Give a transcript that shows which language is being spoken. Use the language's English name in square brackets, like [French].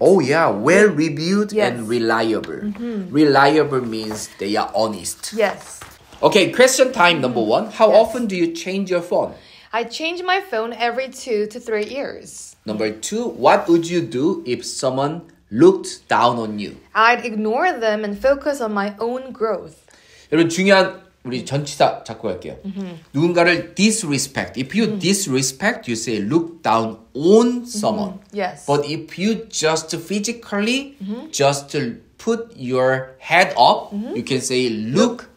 [English] Oh, yeah, well-reviewed and reliable. Reliable means they are honest. Yes. Okay, question time number one. How often do you change your phone? I change my phone every 2 to 3 years. Number two, what would you do if someone looked down on you? I'd ignore them and focus on my own growth. [Korean] 여러분, 중요한 우리 전치사 잡고 갈게요. 누군가를 disrespect. [English] If you disrespect, you say look down on someone. Yes. But if you just physically, just put your head up, you can say look down.